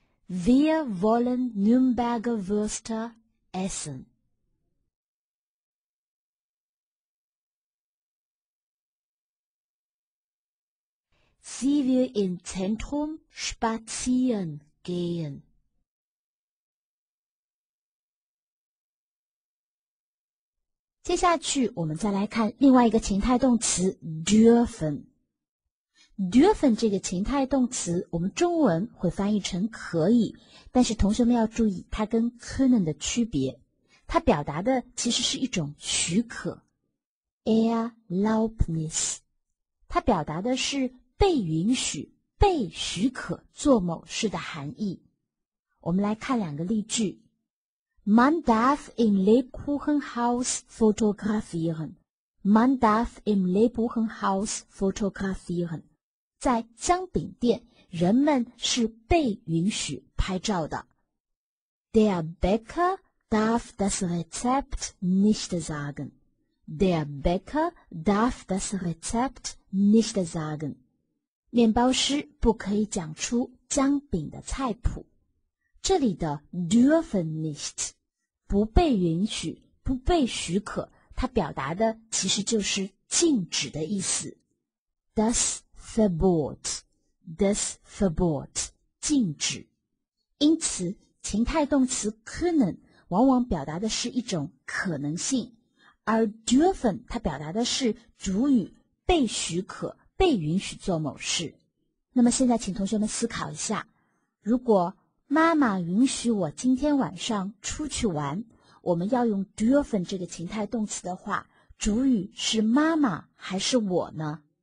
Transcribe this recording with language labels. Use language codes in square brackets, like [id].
[de] Wir wollen Nürnberger Würste essen. Sie will im Zentrum spazieren gehen. [zh] 接下去我们再来看另外一个情态动词 dürfen。 dürfen 这个情态动词我们中文会翻译成可以，但是同学们要注意它跟 können 的区别。它表达的其实是一种许可。 [de] Erlaubnis。 [zh] 它表达的是被允许、被许可做某事的含义。我们来看两个例句。 [de] Man darf im Lebkuchenhaus fotografieren. Man darf im Lebkuchenhaus fotografieren. [zh] 在姜饼店，人们是被允许拍照的。 [de] Der Bäcker darf das Rezept nicht sagen. Der Bäcker darf das Rezept nicht sagen. [zh] 面包师不可以讲出姜饼的菜谱。这里的 dürfen nicht, 不被允许、不被许可，它表达的其实就是禁止的意思。 [de] Das Verbot, das Verbot, 禁止。 [zh] 因此，情态动词 können 往往表达的是一种可能性，而 dürfen 它表达的是主语被许可、被允许做某事。那么现在请同学们思考一下，如果妈妈允许我今天晚上出去玩，我们要用 dürfen 这个情态动词的话，主语是妈妈还是我呢？